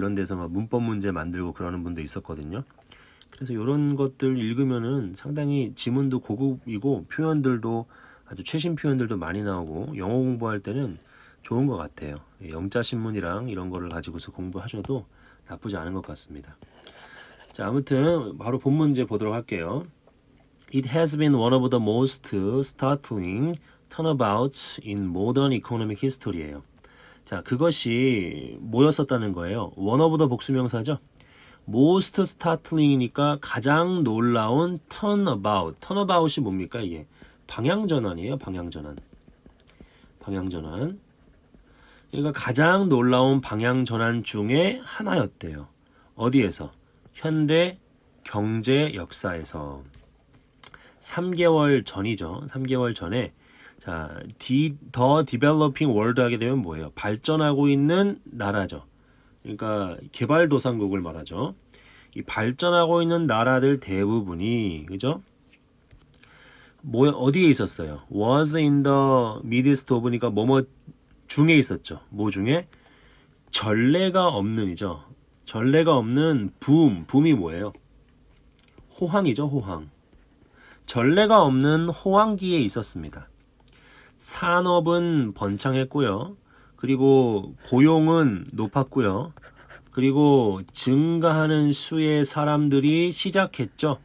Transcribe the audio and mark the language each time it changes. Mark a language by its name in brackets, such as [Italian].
[Korean] 이런 데서 막 문법 문제 만들고 그러는 분도 있었거든요. 그래서 이런 것들 읽으면은 상당히 지문도 고급이고 표현들도 아주 최신 표현들도 많이 나오고 영어 공부할 때는 좋은 것 같아요. 영자 신문이랑 이런 거를 가지고서 공부하셔도 나쁘지 않은 것 같습니다. 자, 아무튼 바로 본 문제 보도록 할게요. [English] It has been one of the most startling turnabouts in modern economic history예요. [Korean] 자, 그것이 뭐였었다는 거예요? One of the 복수명사죠. Most startling이니까 가장 놀라운 turnabout. Turnabout이 뭡니까, 이게? 방향전환이에요, 방향전환. 방향전환. 그러니까 가장 놀라운 방향전환 중에 하나였대요. 어디에서? 현대 경제 역사에서. 3개월 전이죠. 3개월 전에. 자, [English] the developing world [Korean] 하게 되면 뭐예요? 발전하고 있는 나라죠. 그러니까 개발도상국을 말하죠. 이 발전하고 있는 나라들 대부분이, 그죠? 어디에 있었어요? [English] was in the midst of, [Korean] 그러니까 뭐뭐 중에 있었죠. 뭐 중에? 전례가 없는이죠. 전례가 없는 붐이 뭐예요? 호황이죠, 호황. 전례가 없는 호황기에 있었습니다. 산업은 번창했고요. 그리고 고용은 높았고요. 그리고 증가하는 수의 사람들이 시작했죠.